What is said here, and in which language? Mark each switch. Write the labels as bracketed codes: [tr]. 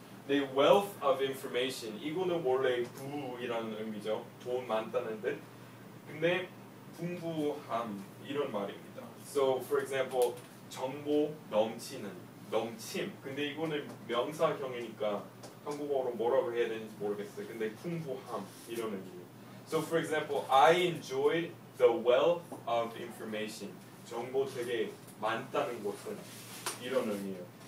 [en] The wealth of information [ko] 이거는 원래 부이라는 의미죠. 돈 많다는 듯. 근데 풍부함 이런 말입니다. [en] So for example, [ko] 정보 넘치는. 넘침. 근데 이거는 명사형이니까 한국어로 뭐라고 해야 되는지 모르겠어요. 근데 풍부함 이런 의미. [en] So for example, I enjoyed the wealth of information. [ko] 정보 되게 많다는 것은 이런 의미예요.